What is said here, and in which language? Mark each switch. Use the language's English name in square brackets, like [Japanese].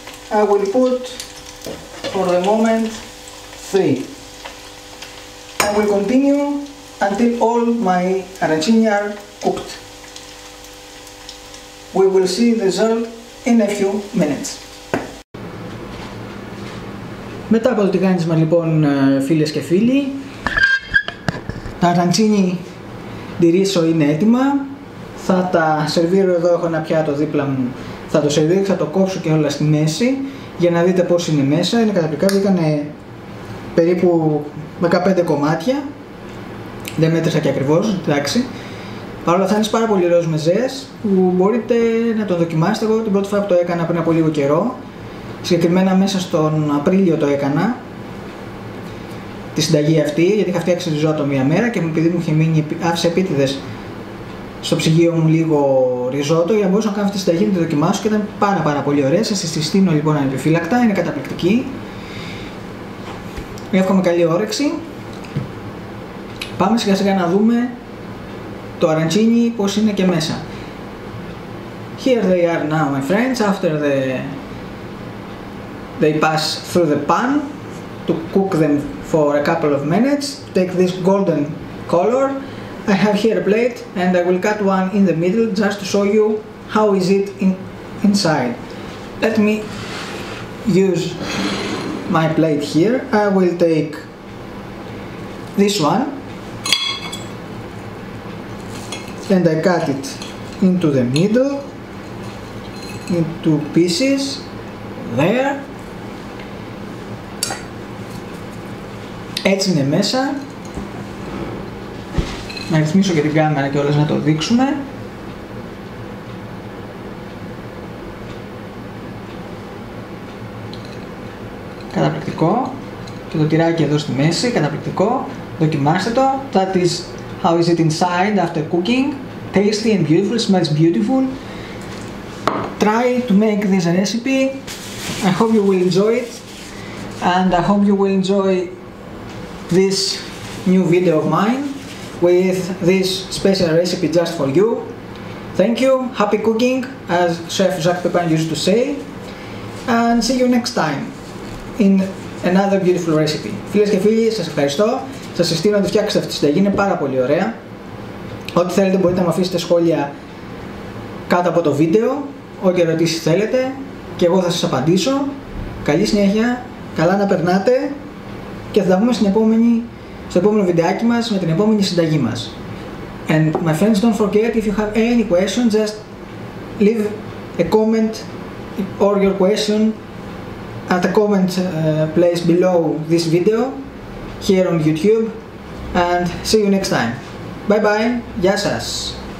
[English] I will put for the moment 3. I will continue until all my arancini are cooked. We will see the result in a few minutes. [Greek] Μετά από το τηγάνισμα λοιπόν, φίλες και φίλοι, τα arancini di riso είναι έτοιμα. Θα τα σερβίρω εδώ, έχω ένα πιάτο δίπλα μου. Θα το σερβίρω, θα το κόψω και όλα στη μέση για να δείτε πώς είναι μέσα. Είναι καταπληκτικά, βγήκανε περίπου 15 κομμάτια. Δεν μέτρησα και ακριβώς, εντάξει. Παρ' όλα αυτά είναι πάρα πολύ ροζ μεζές που μπορείτε να το δοκιμάσετε. Εγώ την πρώτη φορά που το έκανα πριν από λίγο καιρό, συγκεκριμένα μέσα στον Απρίλιο το έκανα τη συνταγή αυτή, γιατί είχα φτιάξει ριζότο μία μέρα και επειδή μου είχε μείνει, άφησε επίτηδες στο ψυγείο μου λίγο ριζότο για να μπορούσα να κάνω αυτή τη συνταγή, να τη δοκιμάσω και ήταν πάρα πάρα πολύ ωραία. Σας συστήνω λοιπόν ανεπιφύλακτα, είναι καταπληκτική. Εύχομαι καλή όρεξη. Πάμε σιγά σιγά να δούμε το αραντσίνι πώς είναι και μέσα. [English] Here they are now my friends, after the they pass through the pan to cook them for a couple of minutes, take this golden color. I have here a plate and I will cut one in the middle just to show you how is it inside. Let me use my plate here. I will take this one and I cut it into the middle, into pieces, there. [Greek] Έτσι είναι μέσα. Να ρυθμίσω και την κάμερα και όλες να το δείξουμε. Καταπληκτικό. Και το τυράκι εδώ στη μέση, καταπληκτικό. Δοκιμάστε το. [English] That is how is it inside after cooking. Tasty and beautiful, smells beautiful. Try to make this recipe. I hope you will enjoy it. And I hope you will enjoy this new video of mine with this special recipe just for you. Thank you, happy cooking, as Chef Jacques Pepin used to say, and see you next time in another beautiful recipe. [Greek] Φίλες και φίλοι, σας ευχαριστώ. Σας συστήνω να τη φτιάξετε αυτή τη συνταγή, είναι πάρα πολύ ωραία. Ό,τι θέλετε μπορείτε να μου αφήσετε σχόλια κάτω από το βίντεο, ό,τι ερωτήσεις θέλετε και εγώ θα σας απαντήσω. Καλή συνέχεια, καλά να περνάτε. Και θα τα πούμε στο επόμενο βιντεάκι μας με την επόμενη συνταγή μας. [English] And my friends, don't forget, if you have any question, just leave a comment or your question at the comment place below this video here on YouTube. And see you next time. Bye bye. [Greek] Γεια σας.